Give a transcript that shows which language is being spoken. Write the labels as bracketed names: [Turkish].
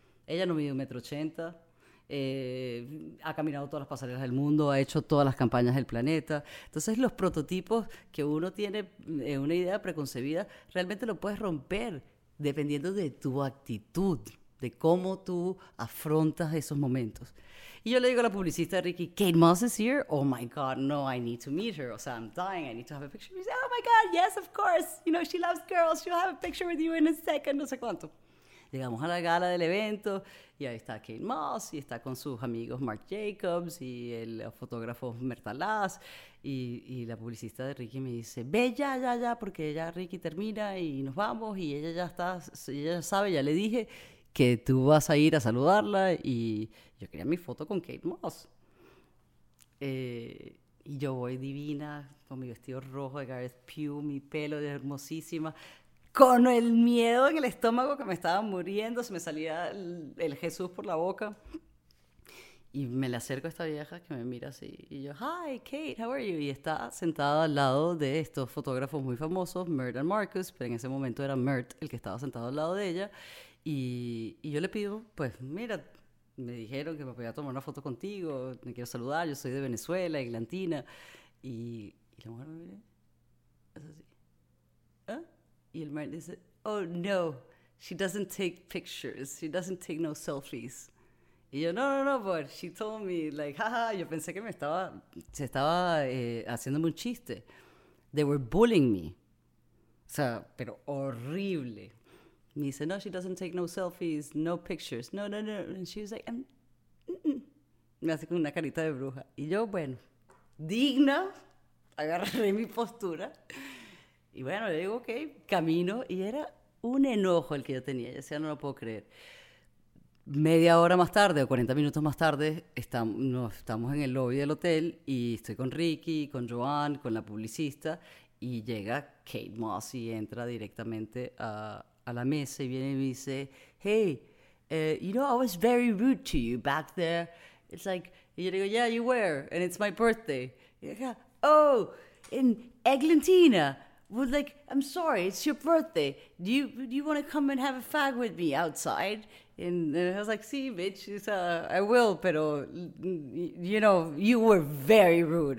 [Spanish] Ella no mide 1,80 m, ha caminado todas las pasarelas del mundo, ha hecho todas las campañas del planeta. Entonces los prototipos que uno tiene, una idea preconcebida, realmente lo puedes romper dependiendo de tu actitud, de cómo tú afrontas esos momentos. Y yo le digo a la publicista de Ricky, [English] Kate Moss is here, oh my god, no, I need to meet her, [Spanish] o sea, [English] I'm dying, I need to have a picture. [Spanish] Y dice, [English] oh my god, yes, of course, you know, she loves girls, she'll have a picture with you in a second, [Spanish] no sé cuánto. Llegamos a la gala del evento y ahí está Kate Moss y está con sus amigos Marc Jacobs y el fotógrafo Mertalaz, y la publicista de Ricky me dice, ve ya, porque ya Ricky termina y nos vamos, y ella ya está, ella ya sabe, ya le dije que tú vas a ir a saludarla, y yo quería mi foto con Kate Moss. Y yo voy divina, con mi vestido rojo de Gareth Pugh, mi pelo de hermosísima, con el miedo en el estómago que me estaba muriendo, se me salía el Jesús por la boca. Y me le acerco a esta vieja que me mira así y yo, [English] hi Kate, how are you? [Spanish] Y está sentada al lado de estos fotógrafos muy famosos, Mert and Marcus, pero en ese momento era Mert el que estaba sentado al lado de ella. Y yo le pido, pues mira, me dijeron que me podía tomar una foto contigo, me quiero saludar, yo soy de Venezuela, Eglantina. Y la mujer me mira, es así. ¿Ah? Y el Mert dice, [English] oh no, she doesn't take pictures, she doesn't take no selfies. [Spanish] Y yo, no, no, no, [English] but she told me, like, [Spanish] jaja, yo pensé que se estaba haciéndome un chiste. [English] They were bullying me. [Spanish] O sea, pero horrible. Me dice, [English] no, she doesn't take no selfies, no pictures, no, no, no. And she was like, [Spanish] me hace con una carita de bruja. Y yo, bueno, digna, agarré mi postura. Y bueno, le digo, okay, camino. Y era un enojo el que yo tenía. Yo decía, no lo puedo creer. Media hora más tarde o 40 minutos más tarde, estamos en el lobby del hotel y estoy con Ricky, con Joan, con la publicista, y llega Kate Moss y entra directamente a la mesa y viene y me dice, [English] hey, you know, I was very rude to you back there. It's like, [Spanish] y yo digo, [English] yeah, you were, and it's my birthday. [Spanish] Y yo digo, [English] oh, in Eglantina. Was like, I'm sorry, it's your birthday. Do you want to come and have a fag with me outside? And I was like, sí, bitch, I will, pero, you know, you were very rude.